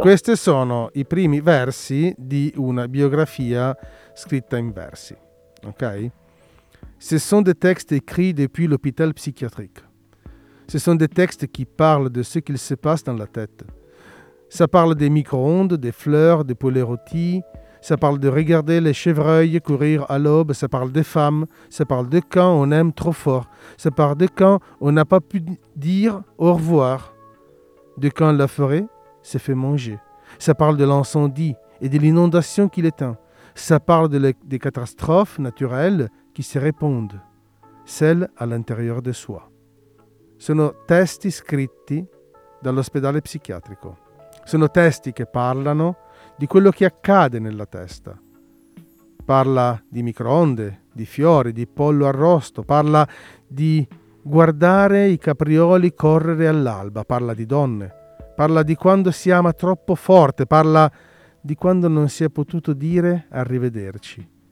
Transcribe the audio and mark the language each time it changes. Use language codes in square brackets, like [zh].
[it] Questi sono i primi versi di una biografia scritta in versi, ok? [fr] Ce sont des textes écrits depuis l'hôpital psychiatrique. Ce sont des textes qui parlent de ce qu'il se passe dans la tête. Ça parle des micro-ondes, des fleurs, des poulets rôtis. Ça parle de regarder les chevreuils courir à l'aube. Ça parle des femmes. Ça parle de quand on aime trop fort. Ça parle de quand on n'a pas pu dire au revoir. De quand la forêt s'est fait manger. Ça parle de l'incendie et de l'inondation qui l'éteint. Ça parle des catastrophes naturelles qui se répondent, celles à l'intérieur de soi. [it] Sono testi scritti dall'ospedale psichiatrico. Sono testi che parlano di quello che accade nella testa. Parla di microonde, di fiori, di pollo arrosto, parla di guardare i caprioli correre all'alba, parla di donne, parla di quando si ama troppo forte, parla di quando non si è potuto dire arrivederci,